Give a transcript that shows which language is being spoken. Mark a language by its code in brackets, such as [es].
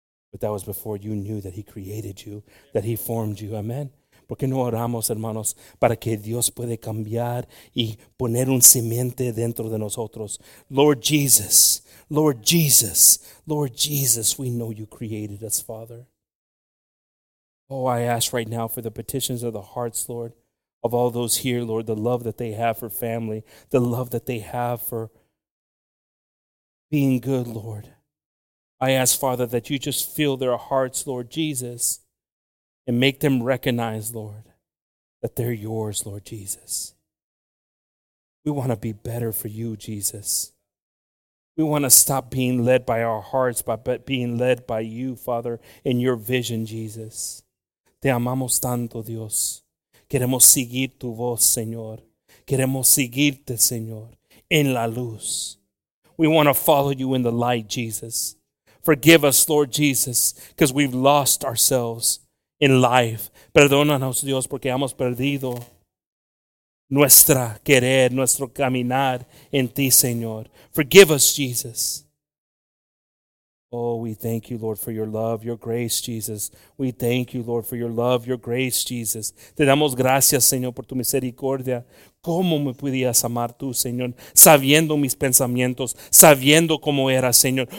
[en] But that was before you knew that he created you, that he formed you. Amen. [es] Porque no oramos, hermanos, para que Dios puede cambiar y poner un simiente dentro de nosotros. [en] Lord Jesus, Lord Jesus, Lord Jesus, we know you created us, Father. Oh, I ask right now for the petitions of the hearts, Lord, of all those here, Lord, the love that they have for family, the love that they have for being good, Lord. I ask, Father, that you just fill their hearts, Lord Jesus, and make them recognize, Lord, that they're yours, Lord Jesus. We want to be better for you, Jesus. We want to stop being led by our hearts, but being led by you, Father, in your vision, Jesus. [es] Te amamos tanto, Dios. Queremos seguir tu voz, Señor. Queremos seguirte, Señor, en la luz. [en] We want to follow you in the light, Jesus. Forgive us, Lord Jesus, because we've lost ourselves in life. [es] Perdónanos, Dios, porque hemos perdido nuestra querer, nuestro caminar en ti, Señor. [en] Forgive us, Jesus. Oh, we thank you, Lord, for your love, your grace, Jesus. We thank you, Lord, for your love, your grace, Jesus. [es] Te damos gracias, Señor, por tu misericordia. ¿Cómo me podías amar tú, Señor? Sabiendo mis pensamientos, sabiendo cómo era, Señor.